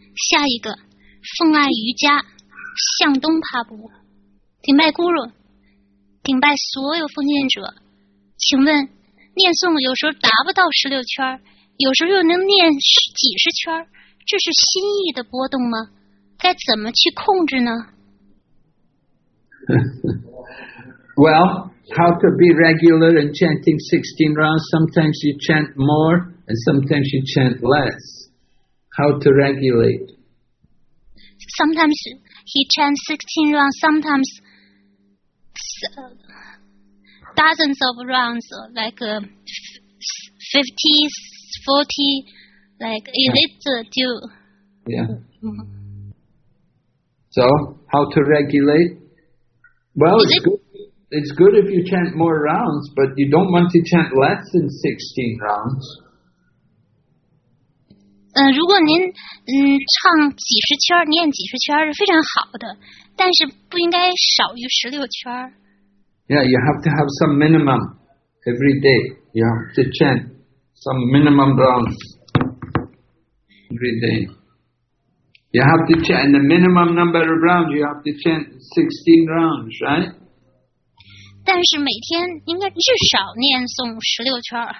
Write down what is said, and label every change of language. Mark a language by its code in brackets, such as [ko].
[zh] 下一个，奉爱瑜伽，向东爬坡，顶拜咕噜，顶拜所有奉献者。请问，念诵有时候达不到十六圈，有时候又能念几十圈，这是心意的波动吗？该怎么去控制呢？ [en] Well, how to be regular in chanting 16 rounds? Sometimes you chant more, and sometimes you chant less. How to regulate? Sometimes he chants 16 rounds, sometimes dozens of rounds, like 50, 40, like, is it due? Yeah. So, how to regulate? Well, it's good if you chant more rounds, but you don't want to chant less than 16 rounds. [zh] 如果您唱几十圈念几十圈是非常好的，但是不应该少于十六圈。 [en] Yeah, you have to have some minimum every day. You have to chant some minimum rounds every day. You have to chant the minimum number of rounds. You have to chant 16 rounds, right? [zh] 但是每天应该至少念诵十六圈。